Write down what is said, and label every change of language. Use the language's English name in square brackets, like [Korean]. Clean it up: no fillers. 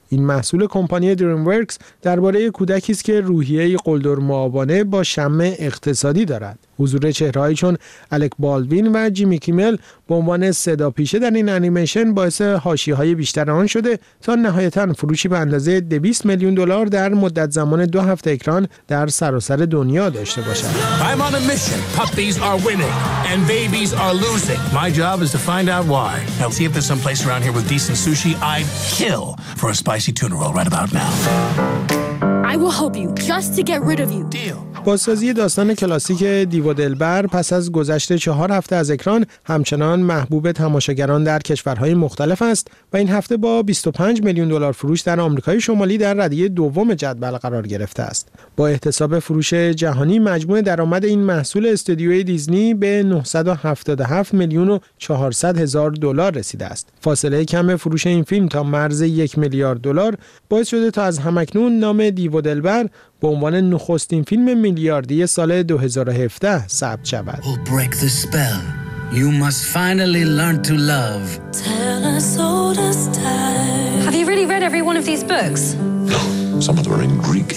[Persian] این محصول کمپانی دریم ورکس درباره کودکی است که روحیه‌ای قلدر معابانه با شمع اقتصادی دارد. حضور چهره‌هایی چون الک بالوین و جیمی کیمل به عنوان صداپیشه در این انیمیشن باعث حاشیه‌های بیشتر آن شده تا نهایتاً فروشی به اندازه 200 میلیون دلار در مدت زمان 2 هفته اکران در سراسر دنیا داشته باشد. [English] I'm on a mission. Puppies are winning and babies are losing. My job is to find out why. I'll see if there's some place around here with decent sushi. I'd kill for a spicy tuna roll right about now. I will help you just to get rid of you. Deal. [Persian] بازسازی داستان کلاسیک دیو و دلبر پس از گذشت 4 هفته از اکران همچنان محبوب تماشاگران در کشورهای مختلف است و این هفته با 25 میلیون دلار فروش در آمریکای شمالی در ردیه دوم جدول قرار گرفته است. با احتساب فروش جهانی مجموع درآمد این محصول استودیوی دیزنی به 977 میلیون و 400 هزار دلار رسیده است. فاصله کم فروش این فیلم تا مرز 1 میلیارد دلار باعث شده تا از همکنون نام دیو و دلبر به عنوان نخستین فیلم میلیاردی سال 2017 ثبت شود. [English] We'll break the spell. You must finally learn to love. Tell us all the time. Have you really read every one of these books? No, some of them are in Greek.